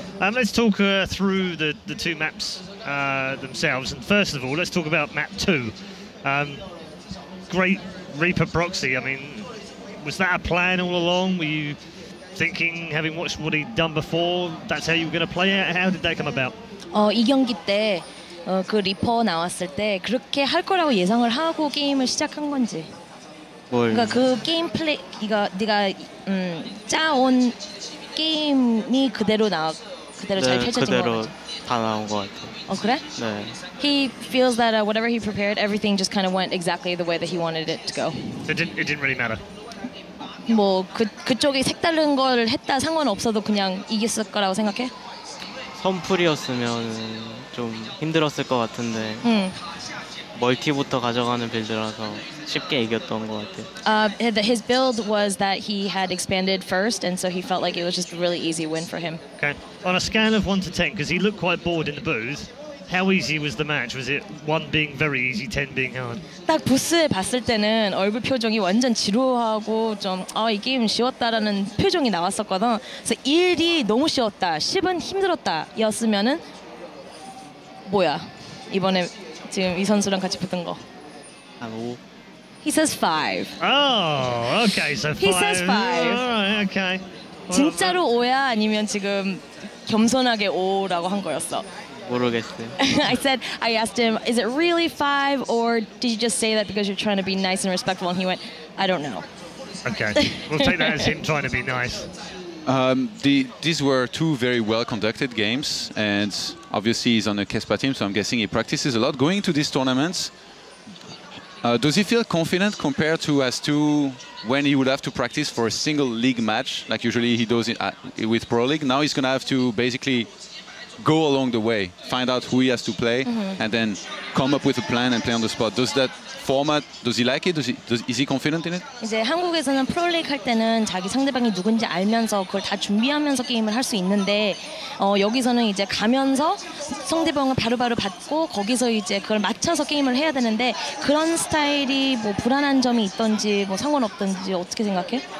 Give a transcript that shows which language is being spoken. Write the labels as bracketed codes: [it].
[en] Let's talk through the two maps themselves. And first of all, let's talk about map two. Great Reaper proxy. I mean, was that a plan all along? Were you... thinking, having watched what he'd done before, that's how you were going to play it? How did that come about? [ko] 이 경기 때 그 리퍼 나왔을 때 그렇게 할 거라고 예상을 하고 게임을 시작한 건지. 그러니까 그 게임 플레이 네가 짜온 게임이 그대로 나왔 그대로 잘 펼쳐진 그대로 다 나온 것 같아. 그래? 네. [en] He feels that whatever he prepared, everything just kind of went exactly the way that he wanted it to go. So it didn't really matter. [ko] 뭐 그쪽이 색다른 걸 했다 상관없어도 그냥 이겼을 거라고 생각해? 선풀이었으면 좀 힘들었을 것 같은데 멀티부터 가져가는 빌드라서 쉽게 이겼던 것 같아. [en] His build was that he had expanded first, and so he felt like it was just a really easy win for him. Okay. On a scale of 1 to 10, because he looked quite bored in the booth, how easy was the match? Was it 1 being very easy, 10 being hard? [ko] 딱 부스에 봤을 때는 얼굴 표정이 완전 지루하고 좀 이 게임 쉬웠다라는 표정이 나왔었거든. 그래서 1이 너무 쉬웠다, 10은 힘들었다였으면은 뭐야 이번에 지금 이 선수랑 같이 붙은 거? 5. [en] He says 5. Oh, okay, so 5. He says 5. All right, okay. [ko] 진짜로 5야 아니면 지금 겸손하게 5라고 한 거였어? [en] I asked him, is it really 5 or did you just say that because you're trying to be nice and respectful? And he went, I don't know. Okay, we'll take that as him trying to be nice. These were two very well-conducted games, and obviously he's on a Kespa team, so I'm guessing he practices a lot. Going to these tournaments, does he feel confident compared to S2 when he would have to practice for a single league match, like usually he does it with Pro League? Now he's going to have to basically go along the way, find out who he has to play, and then come up with a plan and play on the spot. Does that format, does he like it? Is he confident in it? [ko] 이제 한국에서는 프로 리그 할 때는 자기 상대방이 누군지 알면서 그걸 다 준비하면서 게임을 할 수 있는데 여기서는 이제 가면서 상대방을 바로바로 받고 거기서 이제 그걸 맞춰서 게임을 해야 되는데 그런 스타일이 뭐 불안한 점이 있던지 뭐 상관없던지 어떻게 생각해?